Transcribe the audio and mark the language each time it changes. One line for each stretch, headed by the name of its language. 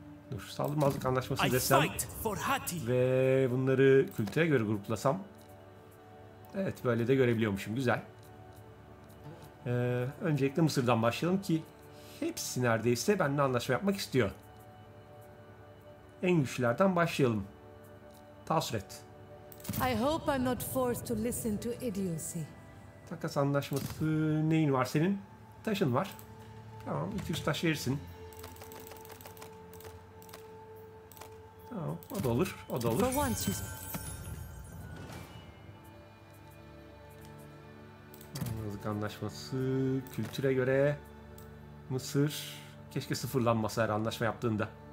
Turkish: Dur, saldırmazlık anlaşması desem ve bunları kültüre göre gruplasam. Evet, böyle de görebiliyormuşum. Güzel. Öncelikle Mısır'dan başlayalım ki hepsi neredeyse benimle anlaşma yapmak istiyor. En güçlülerden başlayalım. Tasret.
English: I hope I'm not forced to listen to idiocy.
Turkish: Takas anlaşması, neyin var senin? Taşın var. Tamam, 200 taş verirsin. Tamam, o da olur, o da olur. Anlaşmazlık anlaşması, kültüre göre Mısır, keşke sıfırlanmasa her anlaşma yaptığında.